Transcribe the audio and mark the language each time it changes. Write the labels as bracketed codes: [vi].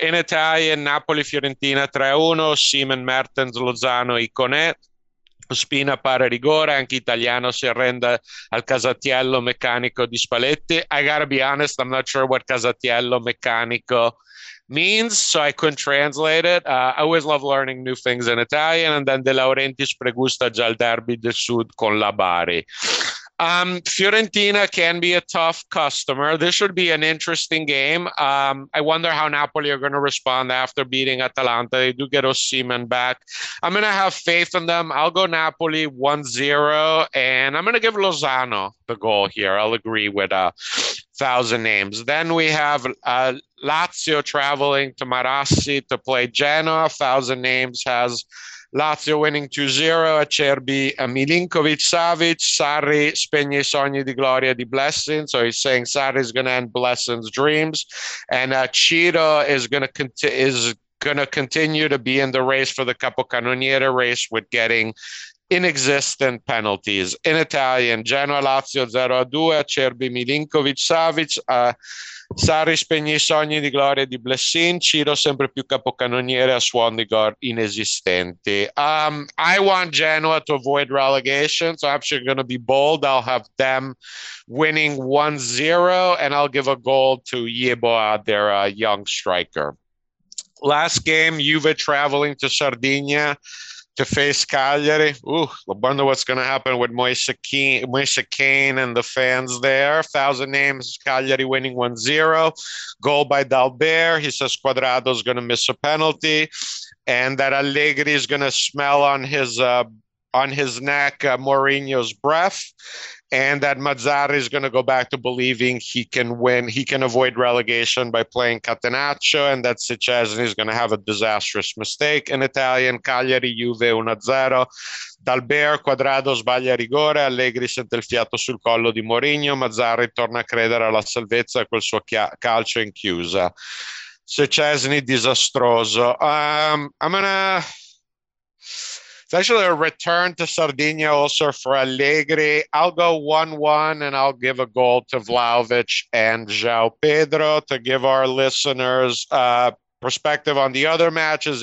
[en] In Italian, [it] Napoli, Fiorentina, 3-1, Simon, Mertens, Lozano, Ikoné, Ospina para rigore, anche Italiano si arrende al Casatiello meccanico di Spalletti. [en] I gotta be honest, I'm not sure what Casatiello meccanico means, so I couldn't translate it. I always love learning new things in Italian. And then [it] De Laurentiis pregusta già il derby del sud con la Bari. [en] Fiorentina can be a tough customer. This should be an interesting game. I wonder how Napoli are going to respond after beating Atalanta. They do get Osimhen back. I'm going to have faith in them. I'll go Napoli 1-0, and I'm going to give Lozano the goal here. I'll agree with 1,000 names. Then we have Lazio traveling to Marassi to play Genoa. 1,000 names has Lazio winning [it] 2-0, Acerbi, Milinkovic-Savic, Sarri spegne I sogni di gloria di Blessing. [en] So he's saying Sarri is going to end Blessing's dreams. And Ciro is going to continue to be in the race for the capocannoniere race with getting inexistent penalties. In Italian, [it] Genoa Lazio 0-2, Acerbi Milinkovic Savic, Sarri spegne i sogni di gloria di Blessin, Ciro sempre più capocannoniere a suon di gol inesistenti. [en] I want Genoa to avoid relegation, so I'm actually going to be bold. I'll have them winning 1-0 and I'll give a goal to Yeboah, their young striker. Last game, Juve traveling to Sardinia to face Cagliari. Ooh, I wonder what's going to happen with Moise Kane and the fans there. 1,000 names, Cagliari winning 1-0. Goal by Dalbert. He says Cuadrado is going to miss a penalty. And that Allegri is going to smell on his neck Mourinho's breath. And that Mazzarri is going to go back to believing he can win. He can avoid relegation by playing Catenaccio. And that Cecchesi is going to have a disastrous mistake. In Italian, [it] Cagliari, Juve 1-0. Dalbert, Cuadrado sbaglia rigore. Allegri sente il fiato sul collo di Mourinho. Mazzarri torna a credere alla salvezza col suo calcio in chiusa. Cecchesi disastroso. [en] It's actually a return to Sardinia also for Allegri. I'll go 1-1 and I'll give a goal to Vlahovic and João Pedro to give our listeners a perspective on the other matches.